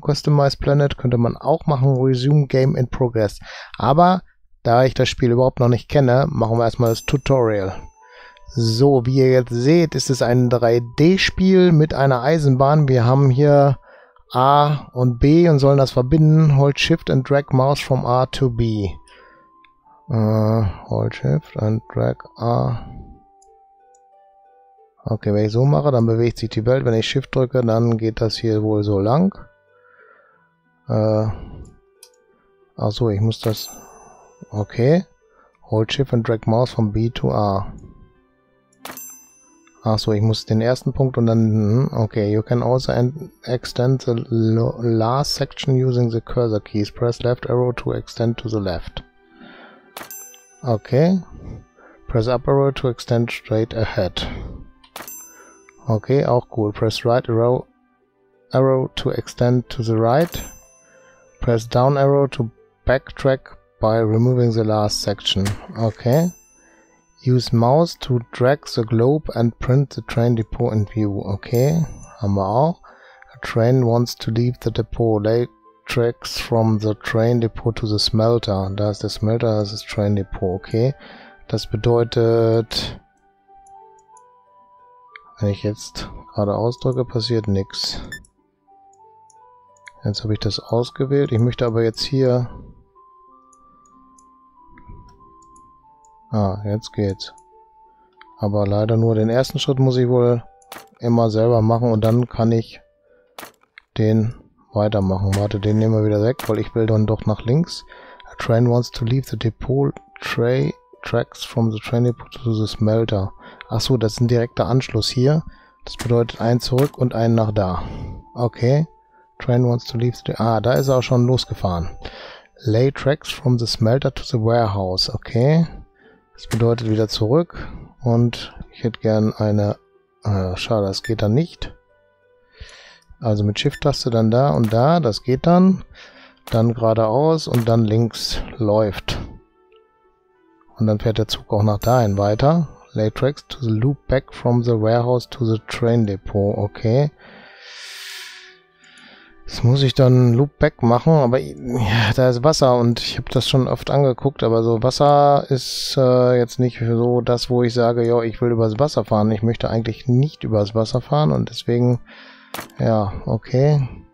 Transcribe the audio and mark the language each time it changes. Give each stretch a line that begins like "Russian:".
English: Customize Planet
German: könnte man auch machen.
English: Resume Game in Progress.
German: Aber da ich das Spiel überhaupt noch nicht kenne, machen wir erstmal das Tutorial. So, wie ihr jetzt seht, ist es ein 3D-Spiel mit einer Eisenbahn. Wir haben hier A und B und sollen das verbinden.
English: Hold Shift and Drag Mouse from A to B. Hold Shift and Drag A.
German: Okay, wenn ich so mache, dann bewegt sich die Welt. Wenn ich Shift drücke, dann geht das hier wohl so lang. Achso, ich muss das...
English: Okay. Hold Shift and Drag Mouse from B to A.
German: Achso, ich muss den ersten Punkt und dann...
English: Okay, you can also extend the last section using the cursor keys. Press left arrow to extend to the left. Okay. Press up arrow to extend straight ahead. Okay,
German: auch cool.
English: Press right arrow to extend to the right. Press down arrow to backtrack by removing the last section. Okay. Use mouse to drag the globe and print the train depot in view. Okay,
German: haben wir auch.
English: A train wants to leave the depot. Lay tracks from the train depot to the smelter.
German: Da ist der Smelter, das ist train depot. Okay, das bedeutet, wenn ich jetzt gerade ausdrücke, passiert nichts. Jetzt habe ich das ausgewählt. Ich möchte aber jetzt hier... Ah, jetzt geht's. Aber leider nur den ersten Schritt muss ich wohl immer selber machen und dann kann ich den weitermachen. Warte, den nehmen wir wieder weg, weil ich will dann doch nach links.
English: A train wants to leave the depot tray tracks from the train depot to the smelter.
German: Achso, das ist ein direkter Anschluss hier. Das bedeutet ein zurück und einen nach da. Okay.
English: Train wants to leave the...
German: Ah, da ist er auch schon losgefahren.
English: Lay tracks from the smelter to the warehouse. Okay.
German: Das bedeutet wieder zurück und ich hätte gern eine... schade, das geht dann nicht. Also mit Shift-Taste dann da und da, das geht dann. Dann geradeaus und dann links läuft. Und dann fährt der Zug auch nach dahin weiter.
English: Lay tracks to the loop back from the warehouse to the train depot. Okay.
German: Das muss ich dann Loopback machen, aber ja, da ist Wasser und ich habe das schon oft angeguckt, aber so Wasser ist jetzt nicht so das, wo ich sage, ja, ich will übers Wasser fahren. Ich möchte eigentlich nicht übers Wasser fahren und deswegen, ja, okay.